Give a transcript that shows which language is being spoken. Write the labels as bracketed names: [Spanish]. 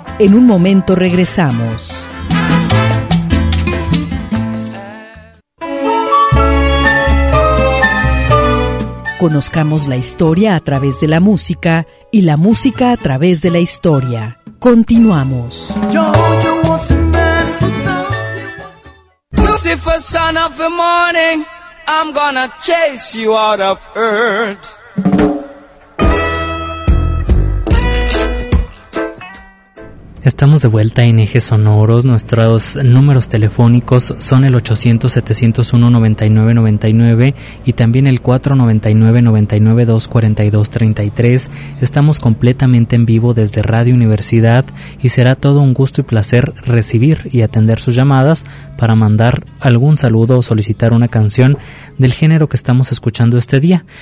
[Spanish] En un momento regresamos. Conozcamos la historia a través de la música y la música a través de la historia. Continuamos. [English] Lucifer, son of the morning, I'm gonna chase you out of earth. [Spanish] Estamos de vuelta en Ejes Sonoros. Nuestros números telefónicos son el 800-701-9999 y también el 499-9942-33. Estamos completamente en vivo desde Radio Universidad y será todo un gusto y placer recibir y atender sus llamadas para mandar algún saludo o solicitar una canción del género que estamos escuchando este día.